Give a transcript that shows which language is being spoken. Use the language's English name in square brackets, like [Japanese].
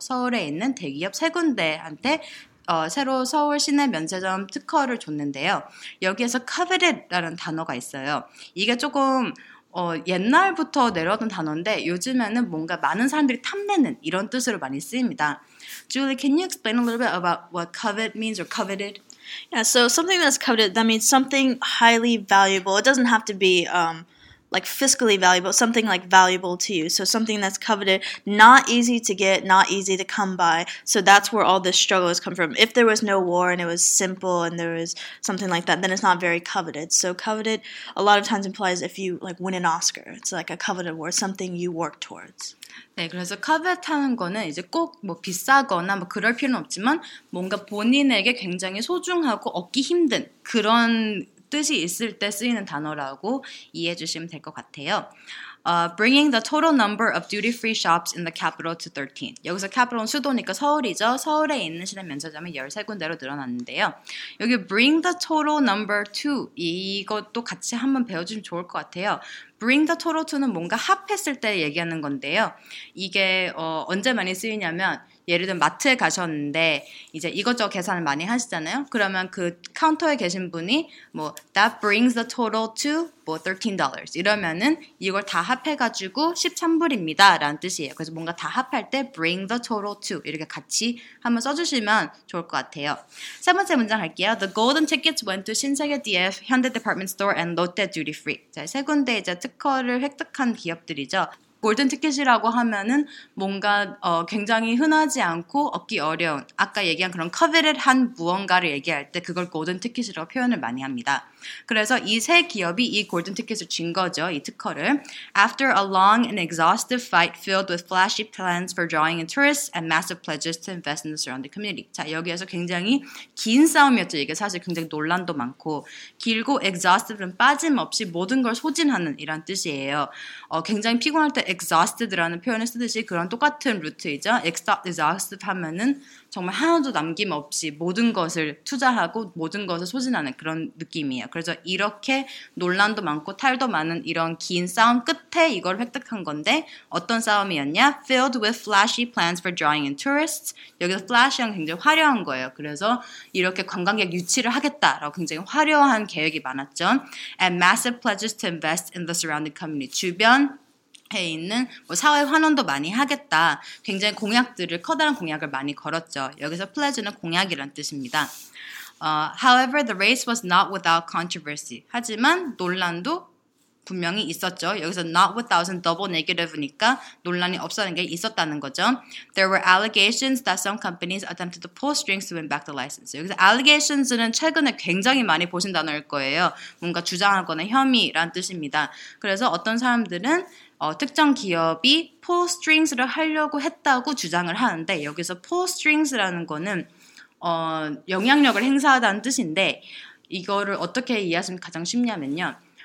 [Korean] 서울에 있는 대기업 세 군데한테 새로 서울 시내 면세점 특허를 줬는데요. 여기에서 coveted라는 단어가 있어요. 이게 조금 옛날부터 내려왔던 단어인데 요즘에는 뭔가 많은 사람들이 탐내는 이런 뜻으로 많이 쓰입니다. [English] Julie, can you explain a little bit about what covet means or coveted? Yeah, so something that's coveted, that means something highly valuable. It doesn't have to be like fiscally valuable, something like valuable to you. So something that's coveted, not easy to get, not easy to come by. So that's where all this struggle has come from. If there was no war and it was simple and there was something like that, then it's not very coveted. So coveted a lot of times implies if you like win an Oscar, it's like a coveted award, something you work towards. [Korean] 네, 그래서 covet하는 거는 이제 꼭 뭐 비싸거나 뭐 그럴 필요는 없지만 뭔가 본인에게 굉장히 소중하고 얻기 힘든 그런 뜻이 있을 때 쓰이는 단어라고 이해해 주시면 될 것 같아요. [English] Bringing the total number of duty-free shops in the capital to 13. [Korean] 여기서 capital은 수도니까 서울이죠. 서울에 있는 시내 면세점이 13군데로 늘어났는데요. 여기 bring the total number to 이것도 같이 한번 배워주시면 좋을 것 같아요. Bring the total to는 뭔가 합했을 때 얘기하는 건데요. 이게 언제 많이 쓰이냐면 예를 들면 마트에 가셨는데 이제 이것저것 계산을 많이 하시잖아요. 그러면 그 카운터에 계신 분이 뭐 [English] that brings the total to [Korean] 뭐 $13 이러면은 이걸 다 합해가지고 13불입니다라는 뜻이에요. 그래서 뭔가 다 합할 때 bring the total to 이렇게 같이 한번 써주시면 좋을 것 같아요. 세 번째 문장 할게요. [English] The golden tickets went to 신세계 DF, Hyundai Department Store, and Lotte Duty Free. [Korean] 자, 세 군데 이제 특허를 획득한 기업들이죠. 골든 티켓이라고 하면은 뭔가 굉장히 흔하지 않고 얻기 어려운 아까 얘기한 그런 coveted한 무언가를 얘기할 때 그걸 골든 티켓이라고 표현을 많이 합니다. 그래서 이 세 기업이 이 골든 티켓을 쥔 거죠, 이 특허를. [English] After a long and exhaustive fight filled with flashy plans for drawing in tourists and massive pledges to invest in the surrounding community. [Korean] 자, 여기에서 굉장히 긴 싸움이었죠. 이게 사실 굉장히 논란도 많고 길고 exhaustive는 빠짐없이 모든 걸 소진하는 이런 뜻이에요. 굉장히 피곤할 때 exhausted라는 표현을 쓰듯이 그런 똑같은 루트이죠. exhaustive 하면은 정말 하나도 남김없이 모든 것을 투자하고 모든 것을 소진하는 그런 느낌이에요. 그래서 이렇게 논란도 많고 탈도 많은 이런 긴 싸움 끝에 이걸 획득한 건데 어떤 싸움이었냐? [English] Filled with flashy plans for drawing in tourists. [Korean] 여기서 flashy는 굉장히 화려한 거예요. 그래서 이렇게 관광객 유치를 하겠다라고 굉장히 화려한 계획이 많았죠. [English] And massive pledges to invest in the surrounding community. [Korean] 주변 에 있는 뭐 사회 환원도 많이 하겠다. 굉장히 공약들을 커다란 공약을 많이 걸었죠. 여기서 pledge는 공약이란 뜻입니다. [English] However, the race was not without controversy. [Korean] 하지만 논란도 분명히 있었죠. 여기서 not without은 double negative니까 논란이 없었던 게 있었다는 거죠. [English] There were allegations that some companies attempted to pull strings to win back the license. [Korean] 여기서 allegations는 최근에 굉장히 많이 보신 단어일 거예요. 뭔가 주장하거나 혐의라는 뜻입니다. 그래서 어떤 사람들은 특정 기업이 pull strings를 하려고 했다고 주장을 하는데 여기서 pull strings라는 거는 영향력을 행사하다는 뜻인데 이거를 어떻게 이해하시면 가장 쉽냐면요.